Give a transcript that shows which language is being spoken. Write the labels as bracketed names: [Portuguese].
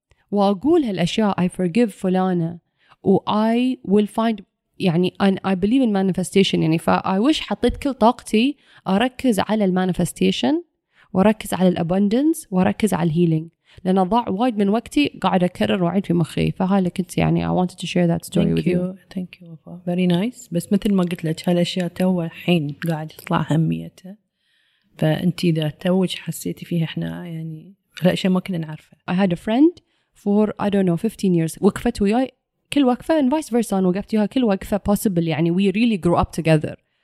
[Arabic] وأقول هالأشياء [English] I forgive [Arabic] فلانة و [English] I will find [Arabic] يعني [English] and I believe in manifestation [Arabic] يعني ف I wish حطيت كل طاقتي أركز على المانيفستيشن وأركز على الأبندنس وأركز على الهيلينج لأن ضاع وايد من وقتي قاعد أكرر وايد في مخي فهالي كنت يعني [English] I wanted to share that story with you. Thank you. Very nice. [Arabic] بس مثل ما قلت لك هالأشياء توا الحين قاعد يطلع أهميتها فأنتي إذا توج حسيتي فيها إحنا يعني هالأشياء ما كنا نعرفها. [English] I had a friend for I don't know 15 years [Arabic] وقفت وياي كل وقفة [English] and vice versa [Arabic] وقفت وياها كل وقفة [English] possible يعني we really grew up together.